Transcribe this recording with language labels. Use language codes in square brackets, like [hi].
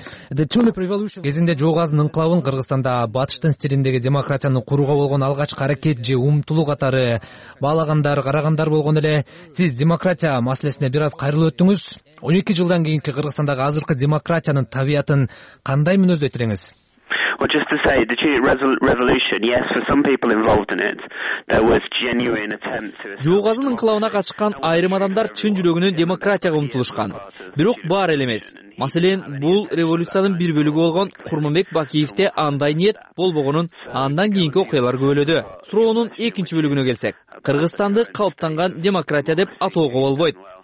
[ky] Кезинде жогазын ынкылабын Кыргызстанда батыштын стилиндеги демократияны курууга болгон алгачкы аракет же умтулуу катары баалагандар, карагандар болгон эле, сиз демократия маселесине бир аз кайрылып өттүңүз. 12 жылдан кийинки Кыргызстандагы азыркы демократиянын табиятын кандай мүнөздөй тереңиз? [en] Well, just to say, the revolution, yes, for some people involved in it, there was genuine attempt to... [ky] Жоогазын ынкылабына катышкан айрым адамдар чын жүрөгүнөн демократияга умтулушкан. Бирок баары эле эмес. Маселен, бул революциянын бир бөлүгү болгон Курманбек Бакиевде андай ниет болбогонун андан кийинки окуялар күбөлөдү. Суроонун экинчи бөлүгүнө келсек, Кыргызстанды калыптанган демократия деп атоого болбойт.